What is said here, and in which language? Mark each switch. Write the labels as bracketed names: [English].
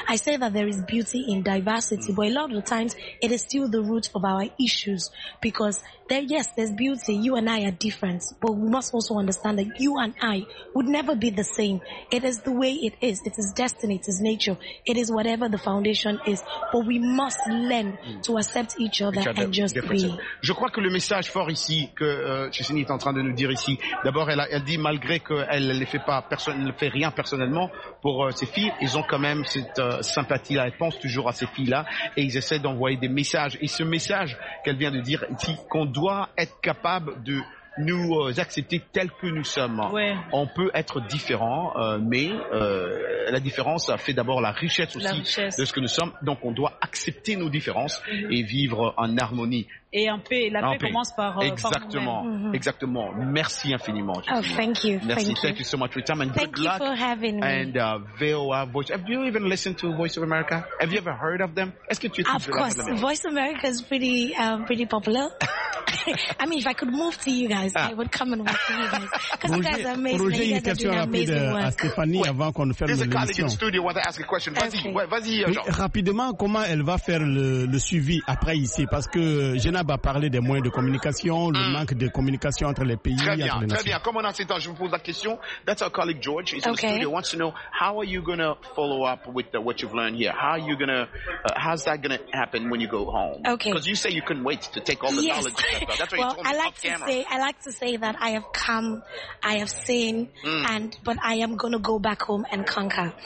[English] I say that there is beauty in diversity, but a lot of the times it is still the root of our issues because there, yes, there's beauty. You and I are different, but we must also understand that you and I would never be the same. It is the way it is. It is destiny. It is nature. It is whatever the foundation is, but we must learn to accept each other and just be. [French] Je crois que le message fort ici que Chisini est en train de nous dire ici, d'abord, elle dit malgré qu'elle ne fait pas, personne ne fait rien personnellement pour ces filles, ils ont quand même cette sympathie là, elles pensent toujours à ces filles là et ils essaient d'envoyer des messages. Et ce message qu'elle vient de dire ici, qu'on doit être capable de nous accepter tels que nous sommes. Ouais. On peut être différent, mais la différence fait d'abord la richesse aussi de ce que nous sommes. Donc on doit accepter nos différences et vivre en harmonie. Et en paix. La paix commence par exactement, par vous-même. Exactement. Merci infiniment. [English] Oh, thank you. [French] Merci. [English] Thank you so much for your time and thank good luck. Thank you for having me. And VOA Voice. Have you even listened to Voice of America? Have you ever heard of them? [French] Est-ce que tu es toujours là? [English] Of course, Voice of America is pretty, pretty popular. I mean, if I could move to you guys, I would come and work with you guys. Because you guys are amazing. Roger, you guys are doing amazing work. [French] À Stéphanie avant qu'on ferme l'émission. [English] There's a colleague in the studio who wants to ask a question. [French] Vas-y, okay. Vas-y, Jean. Rapidement, comment elle va faire le suivi après ici? Parce que Jenab a parlé des moyens de communication, le manque de communication entre les pays. Très bien, entre les très bien. Comme on a assez de temps, je vous pose la question. [English] That's our colleague George. He's in the studio. He wants to know, how are you going to follow up with what you've learned here? How are you going to, how's that going to happen when you go home? Okay. Because you say you couldn't wait to take all the knowledge. Well, I like to say that I have come, I have seen, and but I am going to go back home and conquer.